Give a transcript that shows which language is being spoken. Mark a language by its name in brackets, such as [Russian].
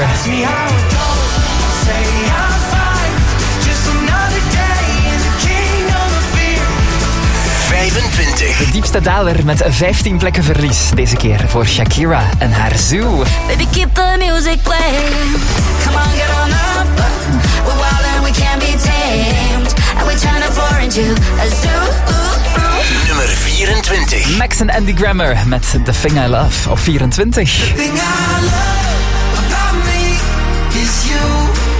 [English] Ask me how it goes, say I'm fine. Just another day in the Kingdom of Fear. [Dutch] 25. De diepste daler met 15 plekken verlies. Deze keer voor Shakira en haar Zoo. [English] Baby, keep the music playing. Come on, get on up. We're wild and we can't be tamed. And we turn a floor into a zoo. [Dutch] Nummer 24. Max en Andy Grammer met The Thing I Love op 24. [English] The thing I love about me is you.